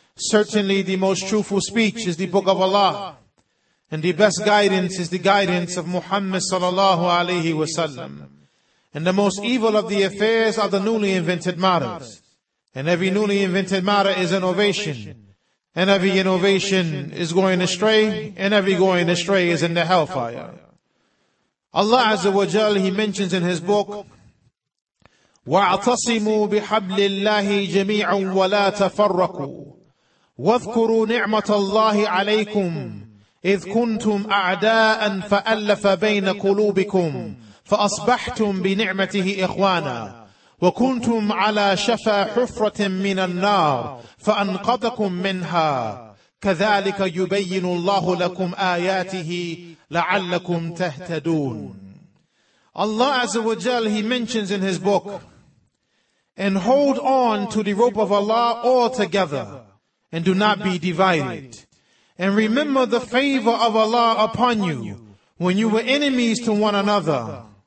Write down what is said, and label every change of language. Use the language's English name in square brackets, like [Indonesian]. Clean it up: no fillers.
[English] Certainly the most truthful speech is the Book of Allah. And the best guidance is the guidance of Muhammad sallallahu alayhi wa sallam. And the most evil of the affairs are the newly invented matters. And every newly invented matter is innovation. And every innovation is going astray. And every going astray is in the hellfire. Allah Azza wa Jal, He mentions in His book, [Arabic] وَاعْتَصِمُوا بِحَبْلِ اللَّهِ جَمِيعًا وَلَا تَفَرَّقُوا وَاذْكُرُوا نِعْمَةَ اللَّهِ عَلَيْكُمْ إذ كنتم أعداء فألف بين قلوبكم فأصبحتم بنعمته إخوانا وكنتم على شفا حفرة من النار فأنقذكم منها كذلك يبين الله لكم آياته لعلكم تهتدون. [English] Allah Azza wa Jal, He mentions in His book, and hold on to the rope of Allah altogether, and do not be divided. And remember the favor of Allah upon you when you were enemies to one another.